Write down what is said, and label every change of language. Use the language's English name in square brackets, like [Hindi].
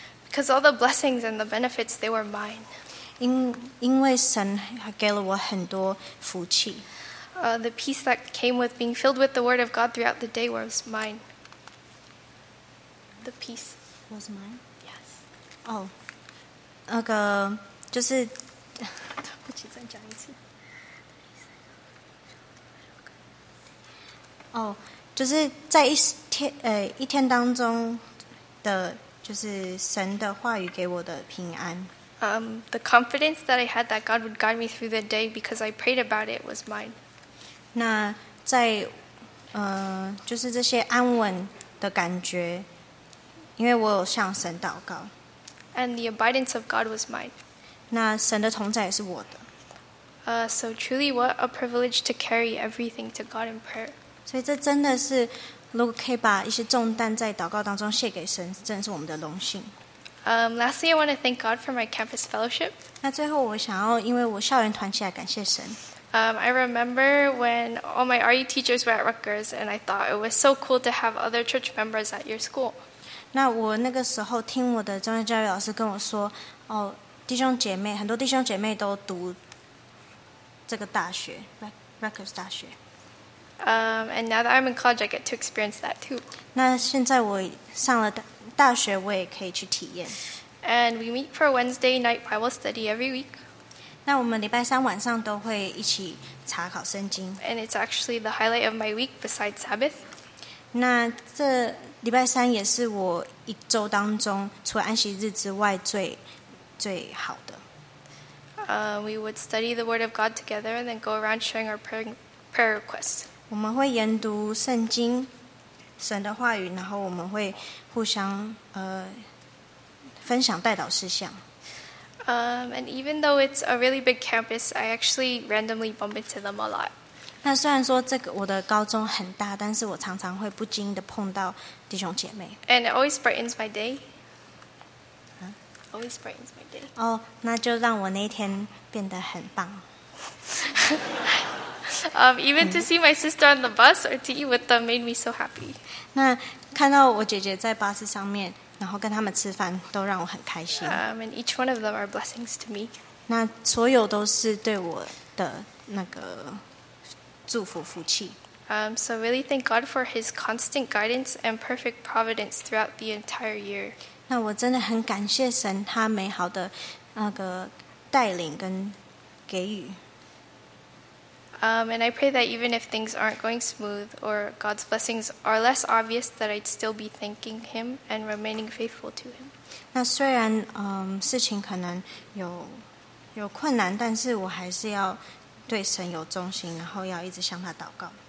[English] Because all the blessings and the benefits, they were mine. [Chinese] 因为神还给了我很多福气。 [English] The peace that came with being filled with the Word of God throughout the day was mine. The peace was mine. Yes. [Chinese] Oh. 那个就是，对不起，再讲一次。哦，就是在一天当中的，就是神的话语给我的平安。 [English] The confidence that I had that God would guide me through the day because I prayed about it was mine. [Chinese] 那在就是这些安稳的感觉，因为我有向神祷告。 [English] And the abidance of God was mine. [Chinese] 那神的同在也是我的。 [English] So truly, what a privilege to carry everything to God in prayer. [Chinese] 所以这真的是，如果可以把一些重担在祷告当中卸给神，真的是我们的荣幸。 [English] Lastly, I want to thank God for my campus fellowship. [Chinese] 那最后我想要因为我校园团契来感谢神。 [English] I remember when all my RU teachers were at Rutgers, and I thought it was so cool to have other church members at your school. [Chinese] 那我那个时候听我的中学教育老师跟我说，哦，弟兄姐妹，很多弟兄姐妹都读这个大学 ，Rutgers 大学。 [English] And now that I'm in college, I get to experience that too. [Chinese] 那现在我上了大学，我也可以去体验。 [English] And we meet for Wednesday night Bible study every week. [Chinese] 那我们礼拜三晚上都会一起查考圣经。 [English] And it's actually the highlight of my week besides Sabbath. [Chinese] 那这礼拜三也是我一周当中除了安息日之外最好的。 [English] We would study the Word of God together and then go around sharing our prayer requests. [Chinese] 我们会研读圣经，神的话语，然后我们会互相分享代祷事项。 [English] And even though it's a really big campus, I actually randomly bump into them a lot. [Chinese] 那虽然说这个我的高中很大，但是我常常会不经意的碰到弟兄姐妹。 [English] And it always brightens my day. Always brightens my day. [Chinese] 哦，那就让我那一天变得很棒。 [English] Even to see my sister on the bus or to eat with them made me so happy. [Chinese] 那看到我姐姐在巴士上面，然后跟他们吃饭，都让我很开心。 [English] And each one of them are blessings to me. [Chinese] 那所有都是对我的那个。祝福福气。 [English] So really thank God for His constant guidance and perfect providence throughout the entire year. [Chinese] 那我真的很感谢神，他美好的那个带领跟给予。 [English] And I pray that even if things aren't going smooth or God's blessings are less obvious, that I'd still be thanking Him and remaining faithful to Him. [Chinese] 那虽然事情可能有困难，但是我还是要。对神有忠心，然后要一直向他祷告。